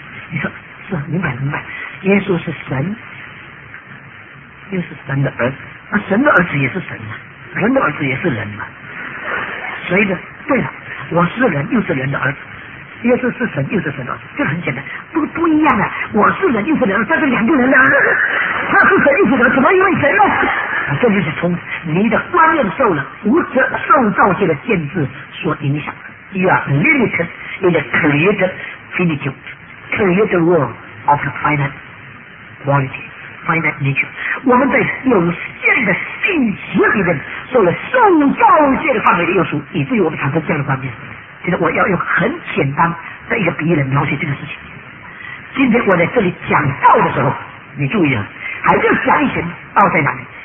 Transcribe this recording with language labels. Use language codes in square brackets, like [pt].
[zh] 你说是啊，明白明白，耶稣是神又是神的儿子，那神的儿子也是神嘛，人的儿子也是人嘛，所以呢，对了，我是人又是人的儿子，耶稣是神又是神的儿子，这很简单，不不一样的，我是人又是人的儿子，但是两个人呢，他是神又是人，怎么因为神呢？这就是从你的观念受了无知受造界的限制所影响的。 [en] You are limited in the created finitude, created world of the finite quality, finite nature. [zh] 我们在有限的信息里面受了受造界的范围的约束，以至于我们产生这样的观念。现在我要用很简单的一个比喻来描写这个事情。今天我在这里讲道的时候，你注意了，还是想一想道在哪里？